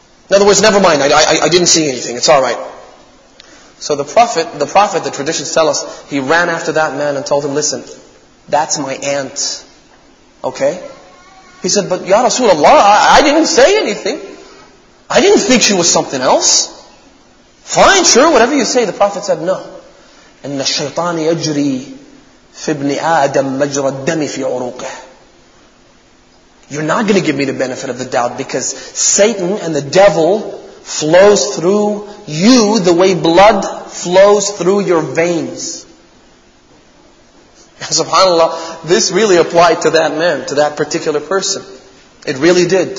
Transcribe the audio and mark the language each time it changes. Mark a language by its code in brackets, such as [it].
[en] In other words, never mind, I didn't see anything, it's alright. So the Prophet, the traditions tell us, he ran after that man and told him, listen, that's my aunt. Okay? He said, but Ya Rasulullah, I didn't say anything. I didn't think she was something else. Fine, sure, whatever you say. The Prophet said, no. [ar] إن الشيطان يجري في ابن آدم مجرى الدم في عروقه. [en] You're not going to give me the benefit of the doubt because Satan and the devil flows through you the way blood flows through your veins. And subhanAllah, this really applied to that man, to that particular person. It really did.